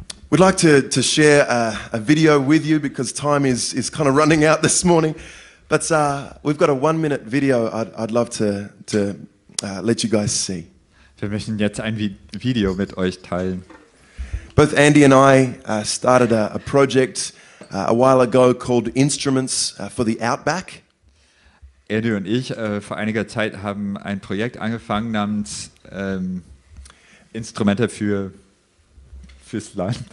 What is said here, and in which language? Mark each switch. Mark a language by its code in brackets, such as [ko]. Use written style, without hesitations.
[en] We'd like to share a video with you because time is kind of running out this morning. But we've got a one-minute video I'd love to let you guys see. [de] Wir möchten jetzt ein Video mit euch teilen. [en] Both Andy and I started a project a while ago called Instruments for the Outback. [de] Andy und ich vor einiger Zeit haben ein Projekt angefangen namens Instrumente für fürs Land.